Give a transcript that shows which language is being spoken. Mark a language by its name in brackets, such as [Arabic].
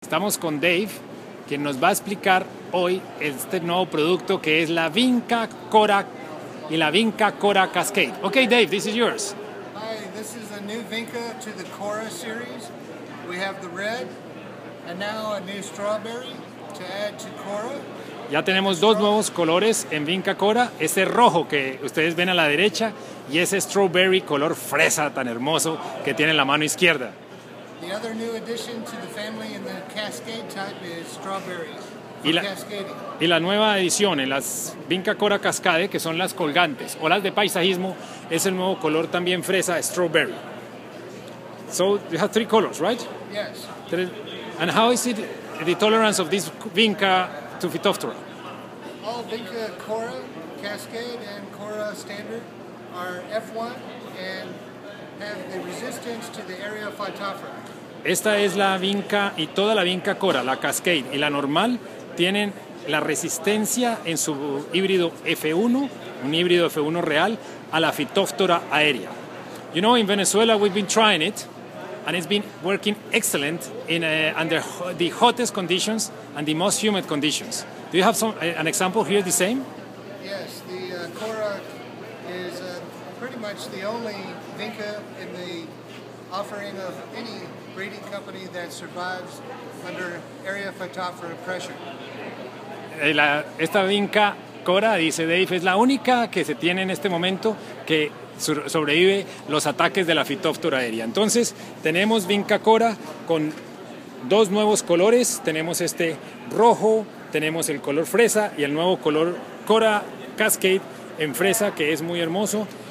[Spanish] Estamos con Dave, quien nos va a explicar hoy este nuevo producto que es la Vinca Cora y la Vinca Cora Cascade. [English] Okay, Dave, this is yours. Hi, this is a new Vinca to the Cora series. We have the red and now a new strawberry to add to Cora. [Spanish] Ya tenemos dos nuevos colores en Vinca Cora, ese rojo que ustedes ven a la derecha y ese strawberry color fresa tan hermoso que tiene en la mano izquierda. [English] The other new addition to the family in the Cascade type is strawberries. [Spanish] Y la nueva edición en las Vinca Cora Cascade, que son las colgantes o las de paisajismo, es el nuevo color también fresa, strawberry. [English] So you have three colors, right? Yes. And how is it the tolerance of this Vinca to Phytophthora? All Vinca Cora Cascade and Cora Standard are F1 and have the resistance to the area of Phytophthora. [Spanish] Esta es la Vinca y toda la Vinca Cora, la Cascade y la normal, tienen la resistencia en su híbrido F1, un híbrido F1 real, a la Phytophthora aérea. [English] You know, in Venezuela we've been trying it and it's been working excellent in under the hottest conditions and the most humid conditions. Do you have some an example here the same? Yes, the Cora is pretty much the only Vinca in the offering of any breeding company that survives under area Phytophthora pressure. [Spanish] Esta Vinca Cora, dice Dave, es la única que se tiene en este momento que sobrevive los ataques de la Phytophthora aérea. Entonces, tenemos Vinca Cora con dos nuevos colores. Tenemos este rojo, tenemos el color fresa y el nuevo color Cora Cascade en fresa, que es muy hermoso.